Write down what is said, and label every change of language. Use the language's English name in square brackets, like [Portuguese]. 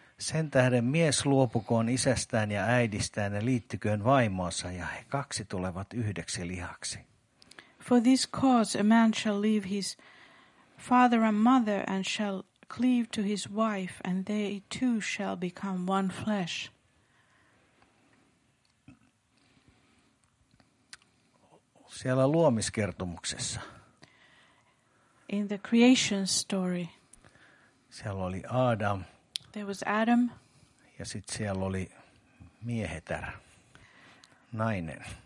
[Finnish] sen tähden mies luopukoon isästään ja äidistään ja liittyköön vaimoonsa ja he kaksi tulevat yhdeksi lihaksi. [English] For this cause a man shall leave his father and mother and shall cleave to his wife and they two shall become one flesh. [Finnish] Siellä luomiskertomuksessa. [English] In the creation story. [Finnish] Siellä oli Adam. [English] There was Adam. [Finnish] Ja sitten siellä oli miehetär, nainen.